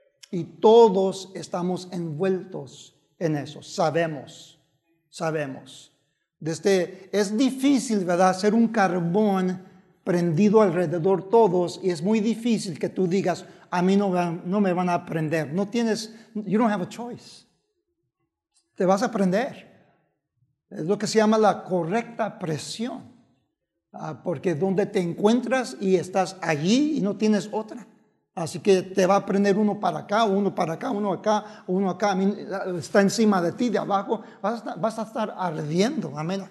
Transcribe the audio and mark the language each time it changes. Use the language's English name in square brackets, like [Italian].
[Spanish] Y todos estamos envueltos en eso. Sabemos. Es difícil, ¿verdad?, ser un carbón prendido alrededor todos, y es muy difícil que tú digas, a mí no me van a prender. No tienes, [English] you don't have a choice. [Spanish] Te vas a prender. Es lo que se llama la correcta presión. Porque donde te encuentras y estás allí y no tienes otra. Así que te va a prender uno para acá, uno para acá, uno acá, uno acá. Está encima de ti, de abajo. Vas a estar ardiendo. Amén.